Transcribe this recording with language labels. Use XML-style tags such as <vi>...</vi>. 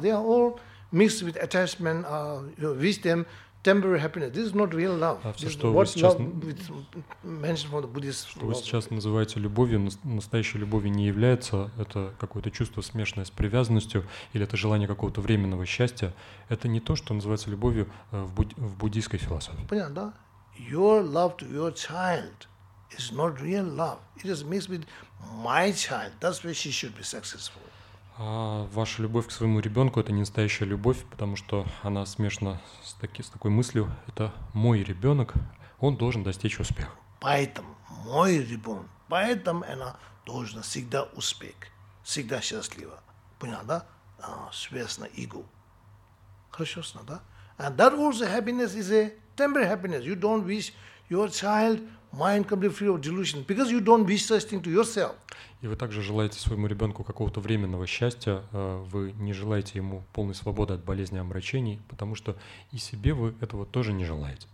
<en>They are all mixed with attachment, wisdom, temporary happiness. This is not real love.</en> <ru>Что вы сейчас называете любовью, настоящей любовью не является, это какое-то чувство, смешанное с привязанностью, или это желание какого-то временного счастья. Это не то, что называется любовью в буддийской философии. Понятно, да?</ru> <en>Your love to your child is not real love. It is mixed with my child. That's why she should be successful.</en> <ru>А ваша любовь к своему ребенку — это не настоящая любовь, потому что она смешана с такой мыслью: это мой ребенок, он должен достичь успеха. Поэтому мой ребенок, поэтому она должна всегда успех, всегда счастлива. Понял, да? Связано эго. Хорошо, да?</ru> <en>And that also happiness is a temporary happiness. You don't wish your child mind completely free of delusion, because you don't wish such thing to yourself.</en> <ru>И вы также желаете своему ребенку какого-то временного счастья, вы не желаете ему полной свободы от болезни и омрачений, потому что и себе вы этого тоже не желаете.</ru>